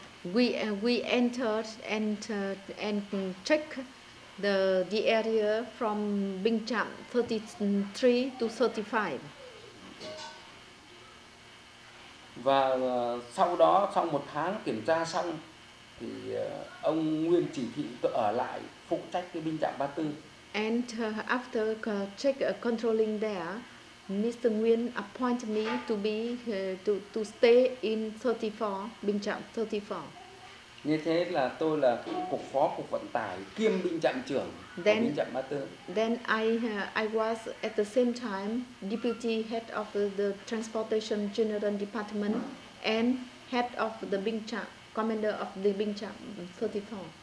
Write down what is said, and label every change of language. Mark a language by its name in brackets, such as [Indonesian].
[English] We entered and check the area from Binh Trạm 33 to 35. [Vietnamese] Và sau đó sau một tháng kiểm tra xong thì ông Nguyên chỉ thị tôi ở lại phụ trách cái binh trạm 34. [English] And after check controlling there, Mr. Nguyen appointed me to be to stay in 34, Binh Trạm 34. [Vietnamese] Như thế là tôi là cục phó cục vận tải kiêm binh trạm trưởng của binh trạm 34. [English] Then I was at the same time deputy head of the transportation general department and head of the binh trạm, commander of the binh trạm 34.